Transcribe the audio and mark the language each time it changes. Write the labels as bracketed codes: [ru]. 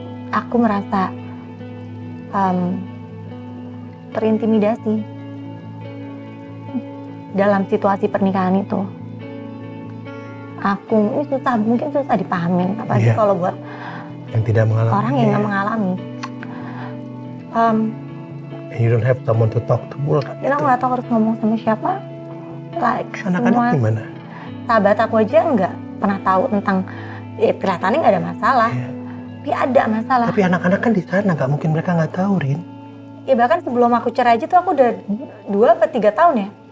[id] Aku merasa terintimidasi. dalam situasi pernikahan itu. Aku ini susah, mungkin susah dipahamin, apalagi yeah. kalau buat yang tidak mengalami. Orang yang nggak mengalami. [en] And you don't have someone to talk to pula. [id] Kita nggak tahu harus ngomong sama siapa. [en] Like [id] anak-anak semua. Gimana? Sahabat aku aja nggak pernah tahu tentang. Ya, kelihatannya nggak ada masalah. Yeah. Tapi ada masalah. Tapi anak-anak kan di sana, nggak mungkin mereka nggak tahu, Rin. Ya bahkan sebelum aku cerai aja tuh aku udah 2-3 tahun ya.